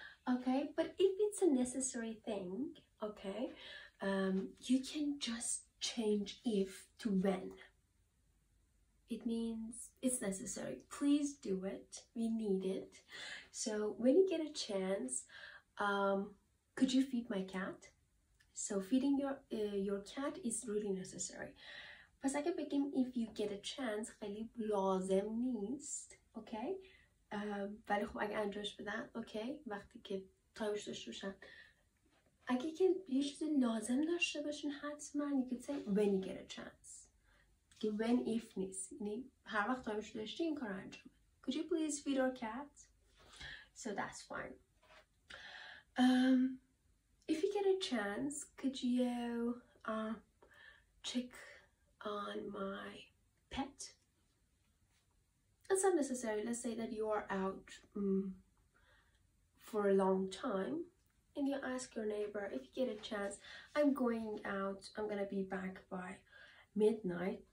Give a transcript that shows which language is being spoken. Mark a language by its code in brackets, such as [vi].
[en] Okay, but if it's a necessary thing, okay, you can just change if to when. It means it's necessary. Please do it. We need it. So when you get a chance, could you feed my cat? So feeding your cat is really necessary. [fa] پس اگه بگیم [en] if you get a chance [fa] خیلی لازم نیست. Okay. ولی خب اگه انجامش بدن. Okay. وقتی که تایمش داشته باشن. اگه که یه چیز لازم داشته باشن حتما [en] you could say when you get a chance. [fa] When if نیست. یعنی هر وقت تایمش داشتی این کار رو انجام. [en] Could you please feed our cat? So that's fine. If you get a chance, could you check on my pet? It's not necessary. Let's say that you are out for a long time and you ask your neighbor, if you get a chance, I'm going out, I'm gonna be back by midnight.